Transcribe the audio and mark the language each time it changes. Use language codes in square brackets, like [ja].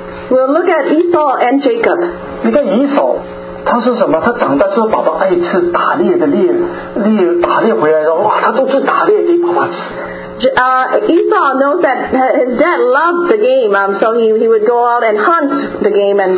[en] We'll look at Esau and Jacob. [zh] 你看以扫他是什么？他长大是爸爸爱吃打猎的猎，猎打猎回来的哇，他都去打猎给爸爸吃。 [en] Esau knows that his dad loved the game, so he would go out and hunt the game and